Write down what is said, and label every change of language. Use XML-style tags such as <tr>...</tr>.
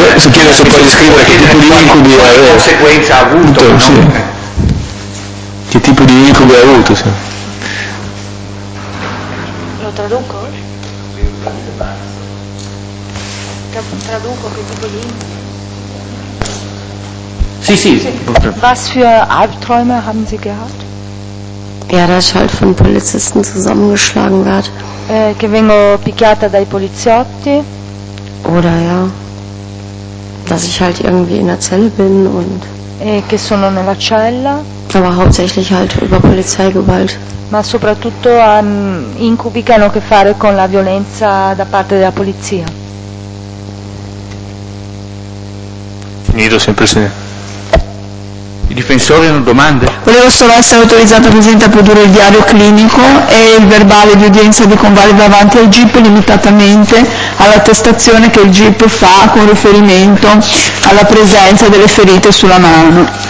<it>Si chiede se può descrivere che tipo di incubi ha avuto. Che conseguenza ha avuto? Sì. Che tipo di incubi ha avuto? Sì. Lo traduco? Traduco che tipo di incubi? Sì, sì.</it> <de>Was für Albträume haben Sie gehabt? Ja, dass ich halt von Polizisten zusammengeschlagen werde.</de> <it>Che vengo picchiata dai poliziotti.</it> <de>Oder ja, dass ich halt irgendwie in der Zelle bin und.</de> <it>E che sono nella cella.</it> <de>Aber hauptsächlich halt über Polizeigewalt.</de> <it>Ma soprattutto incubi che hanno a che fare con la violenza da parte della polizia. Finito sempre se. I difensori hanno domande? Volevo solo essere autorizzato, Presidente, a produrre il diario clinico e il verbale di udienza di convalida davanti al GIP limitatamente all'attestazione che il GIP fa con riferimento alla presenza delle ferite sulla mano.</it>